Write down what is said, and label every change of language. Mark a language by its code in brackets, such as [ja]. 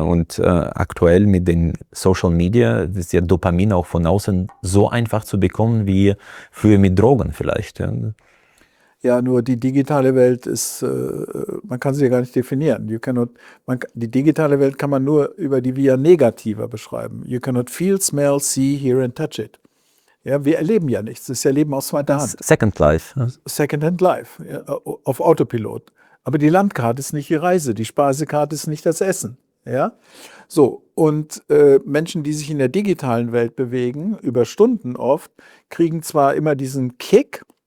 [de] Und aktuell mit den Social Media ist ja Dopamin auch von außen so einfach zu bekommen wie früher mit Drogen vielleicht. Ja. Ja, nur die digitale Welt ist, man kann sie ja gar nicht definieren. Die digitale Welt kann man nur über die Via Negativa beschreiben. [en] You cannot feel, smell, see, hear and touch it. [de] Ja, wir erleben ja nichts. Das ist ja Leben aus zweiter Hand. [en] Second Life. [de] Second Hand Life, ja, auf Autopilot. Aber die Landkarte ist nicht die Reise, die Speisekarte ist nicht das Essen. Ja, so. Und Menschen, die sich in der digitalen Welt bewegen, über Stunden oft, kriegen zwar immer diesen Kick,